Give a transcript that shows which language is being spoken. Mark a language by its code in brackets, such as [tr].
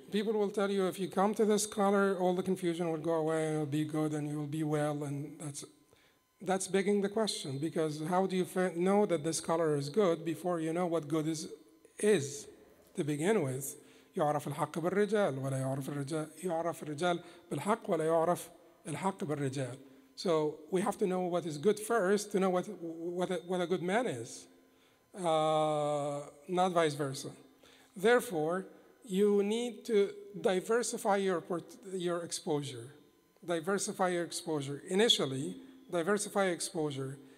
[en] People will tell you if you come to the scholar, all the confusion will go away, it'll be good and you'll be well, and that's begging the question, because how do you know that the scholar is good before you know what good is to begin with? [ar] يعرف الحق بالرجال ولا يعرف الرجال يعرف الرجال بالحق ولا يعرف الحق بالرجال. [en] So we have to know what is good first to know what a good man is, not vice versa. Therefore, you need to diversify your exposure. Diversify your exposure. Initially, diversify exposure.